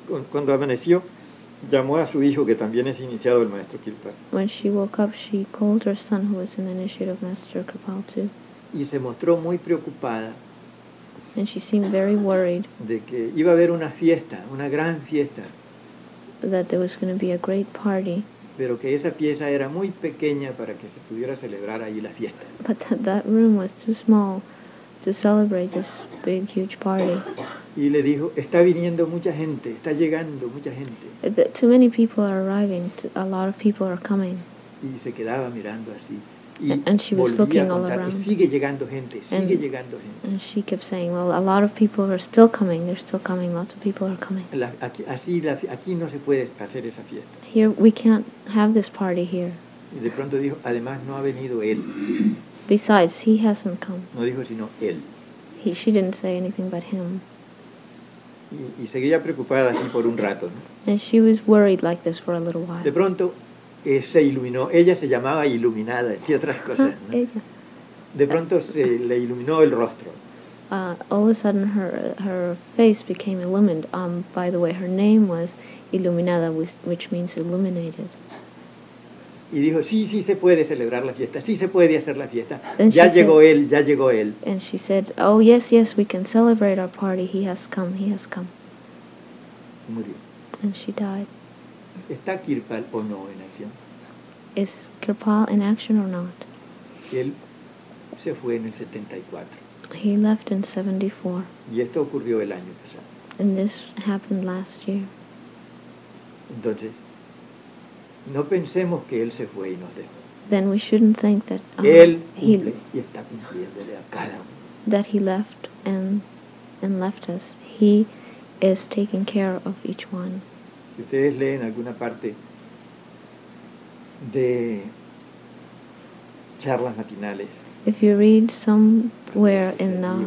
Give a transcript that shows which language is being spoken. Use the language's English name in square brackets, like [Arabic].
[Spanish] cuando amaneció, llamó a su hijo, que también es iniciado el maestro Kirpal. [English] When she woke up, she called her son, who was an initiate of Master Kirpal too. [Spanish] Y se mostró muy preocupada. [English] And she seemed very worried. [Spanish] De que iba a haber una fiesta, una gran fiesta. [English] That there was going to be a great party. [Spanish] Pero que esa pieza era muy pequeña para que se pudiera celebrar ahí la fiesta. [English] But that room was too small to celebrate this big, huge party. [Spanish] Y le dijo, está viniendo mucha gente, está llegando mucha gente. [English] Too many people are arriving, a lot of people are coming. [Spanish] Y se quedaba mirando así. [English] And she was looking all around. And she kept saying, well, a lot of people are still coming. They're still coming. Lots of people are coming. [Spanish] Aquí no se puede hacer esa fiesta. [English] Here, we can't have this party here. [Spanish] Y de pronto dijo, además, no ha venido él. [English] Besides, he hasn't come. [Spanish] No dijo sino él. [English] She didn't say anything but him. [Spanish] Y seguía preocupada así por un rato, ¿no? [English] And she was worried like this for a little while. [Spanish] De pronto, se iluminó. Ella se llamaba iluminada y otras cosas, ¿no? Ella. De pronto se le iluminó el rostro. [English] All of a sudden her face became illumined. By the way, her name was Iluminada, which means illuminated. [Spanish] Y dijo, sí, sí se puede celebrar la fiesta, sí se puede hacer la fiesta. Ya llegó él, ya llegó él. [English] And she said, oh, yes, yes, we can celebrate our party. He has come, he has come. [Spanish] Murió. [English] And she died. [Spanish] ¿Está Kirpal o no en acción? [English] Is Kirpal in action or not? [Spanish] Él se fue en el 74. [English] He left in 74. [Spanish] Y esto ocurrió el año pasado. [English] And this happened last year. [Spanish] Entonces, no pensemos que él se fue y nos dejó. [English] Then we shouldn't think that [Spanish] él cumple y está cumpliéndole a cada uno. [English] That he left and left us. He is taking care of each one. [Spanish] Si ustedes leen alguna parte de charlas matinales, [English] if you read somewhere in the